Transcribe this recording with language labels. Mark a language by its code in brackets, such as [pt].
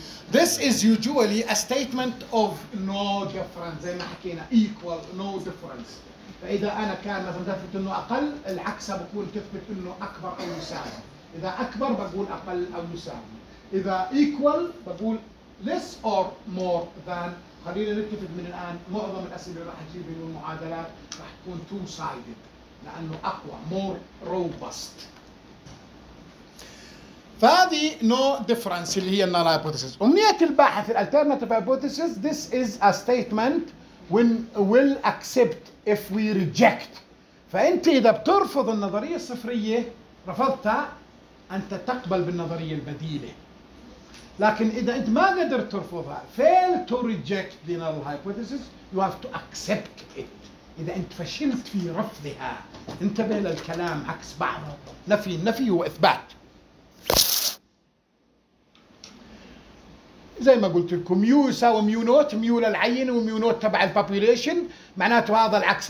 [en] This is usually a statement of no difference [ar] زي ما حكينا [en] equal no difference. [ar] فإذا أنا كان مثلا تثبت إنه أقل العكس بقول تثبت إنه أكبر أو يساوي. إذا أكبر بقول أقل أو يساوي. إذا [en] equal [ar] بقول [en] less or more than. [ar] خلينا نتفق من الآن معظم الأسئلة اللي راح تجيب من المعادلات راح تكون two sided. لأنه أقوى [en] more robust [ar] فهذه [en] no difference [ar] اللي هي null hypothesis. أمنية الباحث [en] alternative hypothesis, this is a statement when we'll accept if we reject. [ar] فأنت إذا بترفض النظرية الصفرية رفضتها أنت تقبل بالنظرية البديلة. لكن إذا أنت ما قدرت ترفضها [en] fail to reject the null hypothesis, you have to accept it. [ar] إذا أنت فشلت في رفضها انتبه للكلام عكس بعضه, نفي نفي وإثبات. زي ما قلت لكم ميو يساوي ميو نوت, ميو للعين وميو نوت تبع البابوليشن, معناته هذا العكس.